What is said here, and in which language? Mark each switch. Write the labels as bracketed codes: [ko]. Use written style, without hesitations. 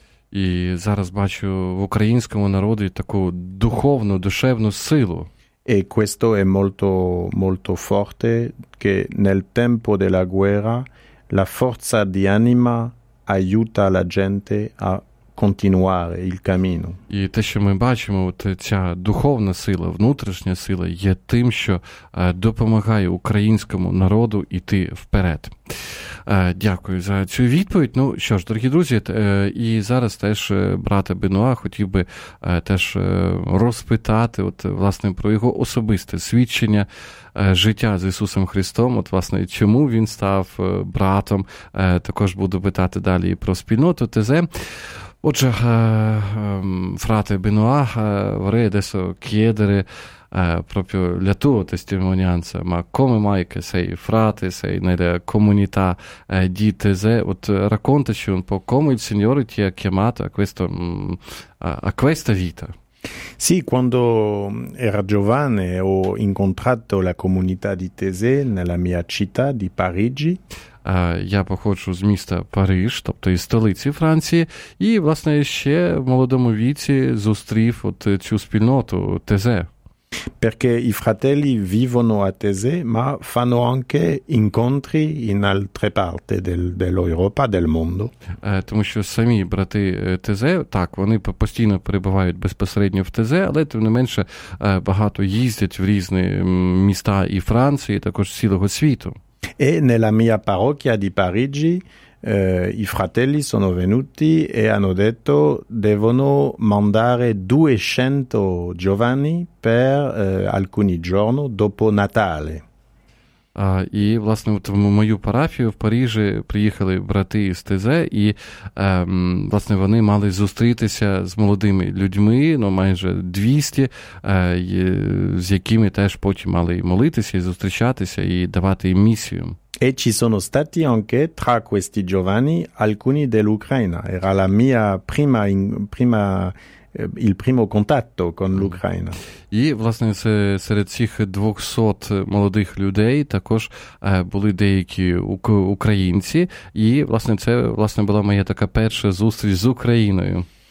[uk] І зараз бачу в українському народі таку духовну, душевну силу. [it] E questo è molto molto forte che nel tempo della guerra la forza di anima aiuta la gente a continuare il cammino. [uk] І те, що ми бачимо, от ця духовна сила, внутрішня сила є тим, що допомагає українському народу йти вперед. Дякую за цю відповідь. Ну, що ж, дорогі друзі, і зараз теж брата Бенуа хотів би теж розпитати, от, власне, про його особисте свідчення життя з Ісусом Христом, от, власне, чому він став братом. Також буду питати далі про спільноту ТЗ. [it] Отже, фрате Бенуа, вори десо к'єдери, proprio la tua testimonianza, ma come mai che sei frate, sei nella comunità di Tese? Raccontaci un po' come il Signore ti ha chiamato a questa vita. Sì, quando ero giovane ho incontrato la comunità di Tese nella mia città di Parigi. [uk] Я походжу з міста Париж, тобто із столиці Франції, і, власне, ще в молодому віці зустрів от цю спільноту Тезе. [it] Perché i fratelli vivono a Tese, ma fanno anche incontri in altre parti dell'Europa, del mondo. [uk] Тому що самі брати Тезе, так, вони постійно перебувають безпосередньо в Тезе, але, тим не менше, багато їздять в різні міста і Франції, також цілого світу. [it] E nella mia parrocchia di Parigi i fratelli sono venuti e hanno detto devono mandare 200 giovani per alcuni giorni dopo Natale. [uk] І, власне, от в мою парафію в Парижі приїхали брати з Тезе, і, власне, вони мали зустрітися з молодими людьми, ну, майже 200, з якими теж потім мали молитися, і зустрічатися, і давати їм місію. [it] E ci sono stati anche tra questi giovani alcuni dell'Ucraina. Era la mia primo contatto con l'Ucraina. [uk] І, власне, серед цих 200 молодих людей також були деякі українці, і, власне, це, власне, була моя така перша зустріч з Україною.